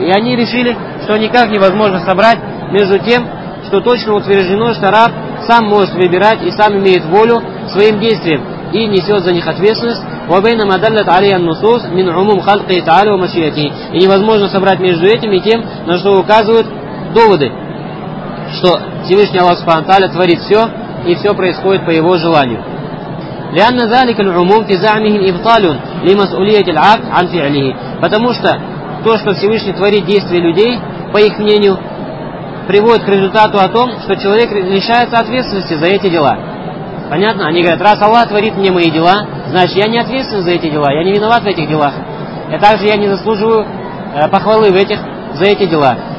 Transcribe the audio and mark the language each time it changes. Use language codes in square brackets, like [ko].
[ru] И они решили, что никак невозможно собрать между тем, что точно утверждено, что раб сам может выбирать и сам имеет волю своим действиям и несет за них ответственность. [ar] وَبَيْنَمَا دَلَّتْ عَلَيَا النُّصُوصِ مِنْ عُمُمْ خَلْقِهِ تَعَالِ وَمَشِيَتِهِ. [ru] И невозможно собрать между этим и тем, на что указывают доводы, что Всевышний Аллах Субхану Тааля творит все, и все происходит по его желанию. [ar] لأن ذلك العموم في زعمهم إبطال لمسؤولية العبد عن فعله. [ru] Потому что то, что Всевышний творит действия людей, по их мнению, приводит к результату о том, что человек лишается ответственности за эти дела. Понятно? Они говорят, раз Аллах творит мне мои дела, значит, я не ответственен за эти дела, я не виноват в этих делах. И также я не заслуживаю похвалы в этих, за эти дела.